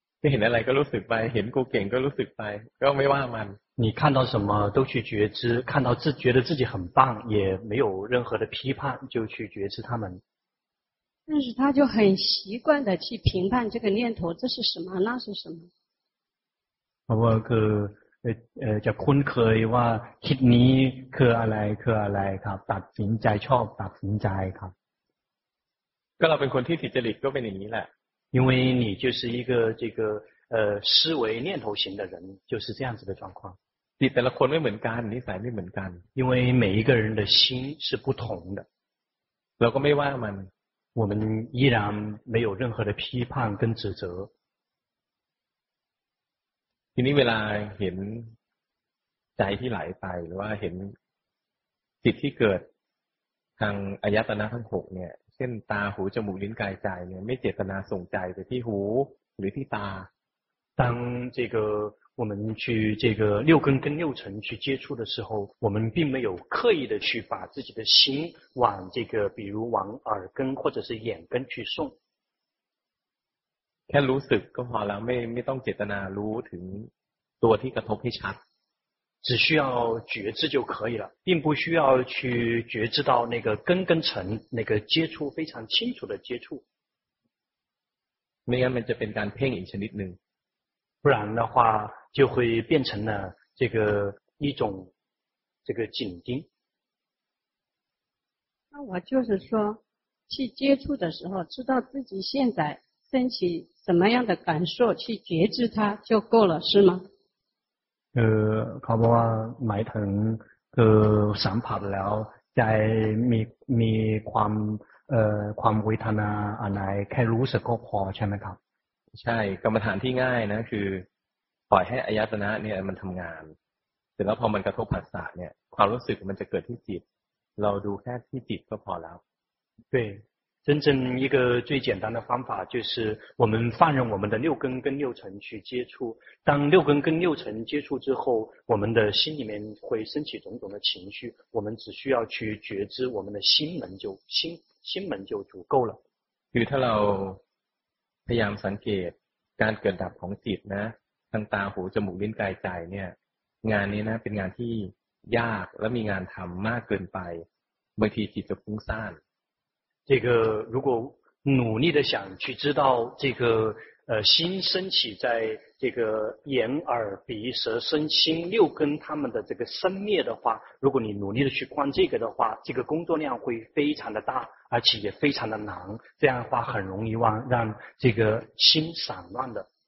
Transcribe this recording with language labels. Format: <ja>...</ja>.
<th>เห็นอะไรก็รู้สึกไปเห็นกูเก่งก็รู้สึกไปก็ไม่ว่ามัน</th> <zh>你看到什么都去觉知，看到自觉得自己很棒，也没有任何的批判，就去觉知他们。但是他就很习惯的去评判这个念头，这是什么，那是什么。我个就困可以话，</zh> <th>คิดนี้คืออะไรคืออะไรครับตัดสินใจชอบตัดสินใจครับ ก็เราเป็นคนที่ติดจริตก็เป็นอย่างนี้แหละ</th> <zh>因为你就是一个这个思维念头型的人就是这样子的状况</zh> <th>你แต่ละคนไม่เหมือนกันนิสัยไม่เหมือนกัน</th> <zh>因为每一个人的心是不同的</zh> <th>เราก็ไม่ว่ามัน</th> <zh>我们依然没有任何的批判跟指责</zh> <th>ทีนี้เวลาเห็นใจที่ไหลไปหรือว่าเห็นจิตที่เกิดทางอายตนะทั้ง6เนี่ยเช่นตาหูจมูกลิ้นกายใจเนี่ยไม่เจตนาส่งใจไปที่หูหรือที่ตา</th> <zh>当这个我们去这个六根跟六尘去接触的时候，我们并没有刻意的去把自己的心往这个，比如往耳根或者是眼根去送。</zh> <th>แค่รู้สึกก็พอแล้วไม่ต้องเจตนารู้ถึงตัวที่กระทบให้ชัด。</th> <zh>只需要觉知就可以了，并不需要去觉知到那个根跟尘那个接触非常清楚的接触。</zh> <th>ไม่งั้นมันจะเป็นการเพ่งอีกชนิดหนึ่ง。</th> <zh>不然的话就会变成了这个一种这个紧盯那我就是说去接触的时候知道自己现在升起什么样的感受去觉知它就够了是吗</zh> <th>ขอบอกว่าหมายถึงคือสัมผัสแล้วใจมีความความเวทนาอะไรแค่รู้สึกก็พอใช่ไหมครับ ใช่กรรมฐานที่ง่ายนะคือปล่อยให้อายตนะเนี่ยมันทำงานเสร็จแล้วพอมันกระทบผัสสะเนี่ยความรู้สึกมันจะเกิดที่จิตเราดูแค่ที่จิตก็พอแล้ว</th> <zh>对真正一个最简单的方法就是我们放任我们的六根跟六尘去接触当六根跟六尘接触之后我们的心里面会升起种种的情绪我们只需要去觉知我们的心门就心门就足够了比如他老</zh> <th>พยายามสังเกตการเกิดดับของจิตนะทั้งตาหูจมูกลิ้นกายใจเนี่ยงานนี้นะเป็นงานที่ยากและมีงานทำมากเกินไปบางทีจิตจะฟุ้งซ่าน</th> <zh>这个如果努力的想去知道这个心升起在这个眼耳鼻舌身心六根他们的这个生灭的话如果你努力的去观这个的话这个工作量会非常的大而且也非常的难这样的话很容易让这个心散乱的</zh>